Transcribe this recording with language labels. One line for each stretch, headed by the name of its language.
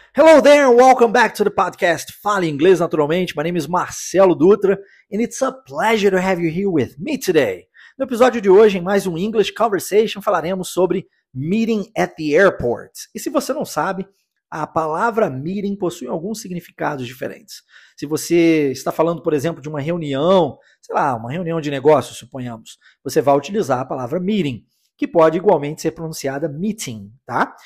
English: Hello there, welcome back to the podcast Fale Inglês Naturalmente. My name is Marcelo Dutra, and it's a pleasure to have you here with me today.
Portuguese: No episódio de hoje, em mais um English Conversation, falaremos sobre
English: meeting at the airport.
Portuguese: E se você não sabe, a palavra meeting possui alguns significados diferentes. Se você está falando, por exemplo, de uma reunião, sei lá, uma reunião de negócios, suponhamos, você vai utilizar a palavra meeting, que pode igualmente ser pronunciada meeting, tá?